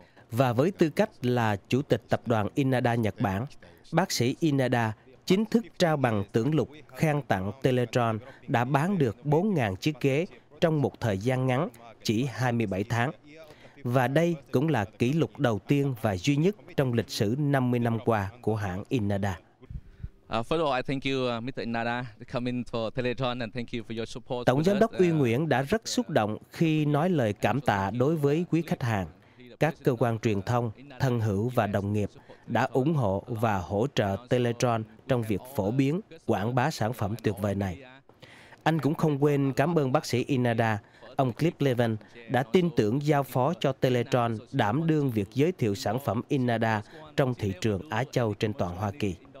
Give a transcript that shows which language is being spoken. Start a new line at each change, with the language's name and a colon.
Vietnamese: Và với tư cách là chủ tịch tập đoàn Inada Nhật Bản, bác sĩ Inada chính thức trao bằng tưởng lục khen tặng Teletron đã bán được 4.000 chiếc ghế trong một thời gian ngắn, chỉ 27 tháng. Và đây cũng là kỷ lục đầu tiên và duy nhất trong lịch sử 50 năm qua của hãng Inada.
English: First of all, I thank you, Mr. Inada, for coming to Teletron and thank you for your support.
Vietnamese: Tổng giám đốc Uy Nguyễn đã rất xúc động khi nói lời cảm tạ đối với quý khách hàng, các cơ quan truyền thông, thân hữu và đồng nghiệp đã ủng hộ và hỗ trợ Teletron trong việc phổ biến, quảng bá sản phẩm tuyệt vời này. Anh cũng không quên cảm ơn bác sĩ Inada, ông Cliff Levin, đã tin tưởng giao phó cho Teletron đảm đương việc giới thiệu sản phẩm Inada trong thị trường Á Châu trên toàn Hoa Kỳ.